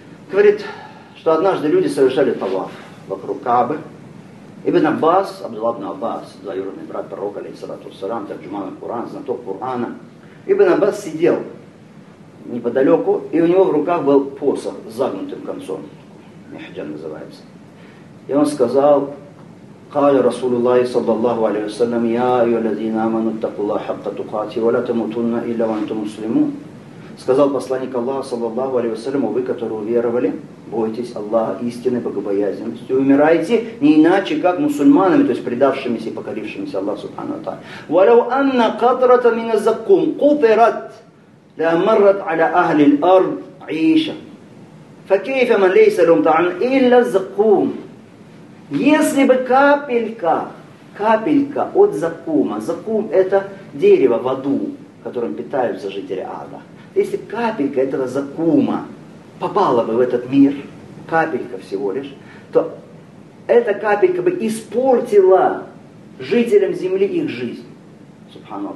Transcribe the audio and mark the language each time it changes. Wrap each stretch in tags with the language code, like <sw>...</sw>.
<ru>Говорит, что однажды люди совершали таваф вокруг Каабы. Ибн Аббас, Абдулла ибн Аббас, двоюродный брат пророка, алейхиссалату вассалям, тарджуман Куран, знаток Курана. Ибн Аббас сидел неподалеку, и у него в руках был посох с загнутым концом. Мехджан называется. И он сказал...</ru> <ar>قال رسول الله صلى الله عليه وسلم يا أيها الذين آمنوا اتقوا الله حق تقاته ولا تموتن إلا وأنتم مسلمون.</ar> <ru>Сказал посланник Аллаха</ru> <ar>صلى الله عليه وسلم,</ar> <ru>вы, которые уверовали, бойтесь Аллаха истинной богобоязненностью, умирайте не иначе, как мусульманами, то есть предавшимися и покорившимися Аллаху Субхану ва Тааля.</ru> <ar>ولو أن قطرة من الزقوم قطرت لمرت على أهل الأرض عيشة فكيف من ليس لهم طعام إلا الزقوم.</ar> <ru>Если бы капелька, капелька от закума, закум это дерево в аду, которым питаются жители ада. Если капелька этого закума попала бы в этот мир, капелька всего лишь, то эта капелька бы испортила жителям земли их жизнь. Субханаллах.</ru>